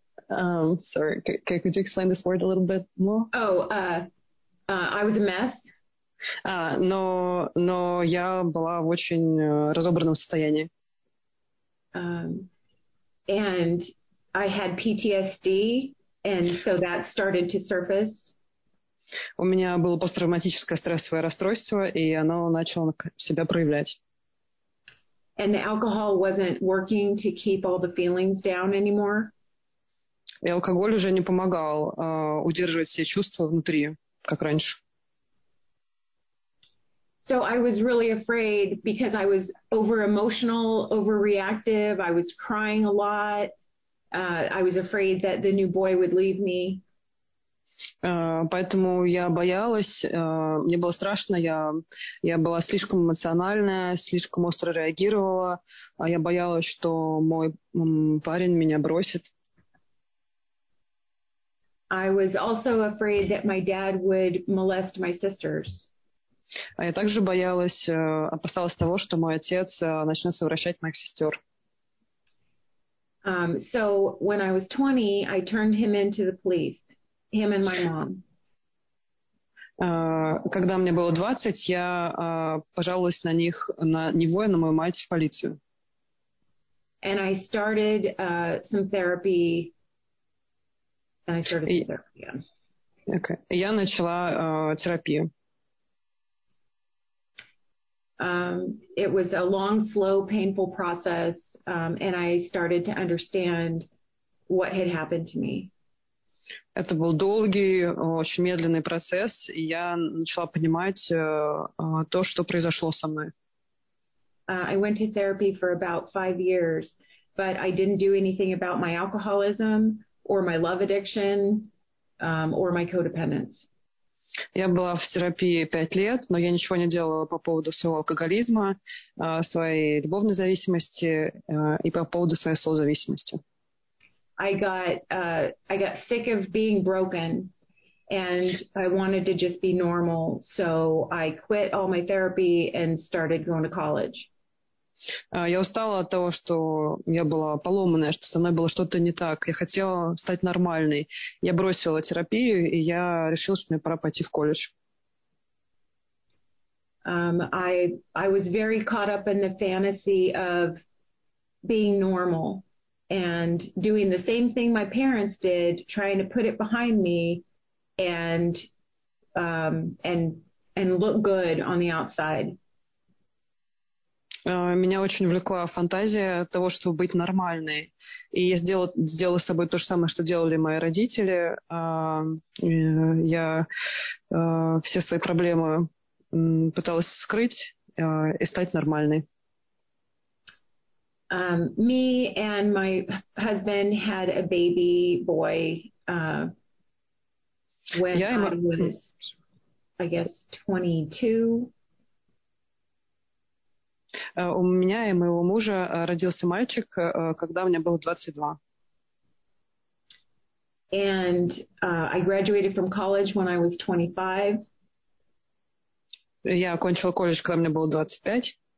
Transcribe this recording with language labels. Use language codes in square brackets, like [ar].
[en] Sorry, could you explain this word a little bit more? I was a mess. [ru] Но я была в очень разобранном состоянии. [en] And I had PTSD, and so that started to surface. [ru] У меня было посттравматическое стрессовое расстройство, и оно начало себя проявлять. [en] And the alcohol wasn't working to keep all the feelings down anymore. [ru] И алкоголь уже не помогал удерживать все чувства внутри, как раньше. [en] So I was really afraid because I was over-emotional, over-reactive. I was crying a lot. I was afraid that the new boy would leave me. [ru] Поэтому я боялась, мне было страшно, я была слишком эмоциональная, слишком остро реагировала, а я боялась, что мой парень меня бросит. [en] I was also afraid that my dad would molest my sisters. [ru] А я также боялась, опасалась того, что мой отец начнет совращать моих сестер. [en] So when I was 20, I turned him into the police, him and my mom. [ru] Когда мне было 20, я пожаловалась на них, на него и на мою мать в полицию. [en] And I started some therapy. And I started the therapy. [ru] Okay. Я начала терапию. [en] It was a long, slow, painful process, and I started to understand what had happened to me. [ru] Это был долгий, очень медленный процесс, и я начала понимать то, что произошло со мной. [en] I went to therapy for about 5 years, but I didn't do anything about my alcoholism or my love addiction or my codependence. [ru] Я была в терапии 5 лет, но я ничего не делала по поводу своего алкоголизма, своей любовной зависимости и по поводу своей созависимости. [en] I got sick of being broken, and I wanted to just be normal, so I quit all my therapy and started going to college. [ru] Я устала от того, что я была поломанная, что со мной было что-то не так. Я хотела стать нормальной. Я бросила терапию, и я решила, что мне пора пойти в колледж. [en] I was very caught up in the fantasy of being normal and doing the same thing my parents did, trying to put it behind me and look good on the outside. [ru] Меня очень влекла фантазия того, чтобы быть нормальной. И я сделала с собой то же самое, что делали мои родители. Все свои проблемы пыталась скрыть и стать нормальной. [en] Me and my husband had a baby boy when I was, I guess, 22. [ru] У меня и моего мужа родился мальчик, когда мне было 22. [en] And I graduated from college when I was 25. [ru] Я окончила колледж, когда мне было 25.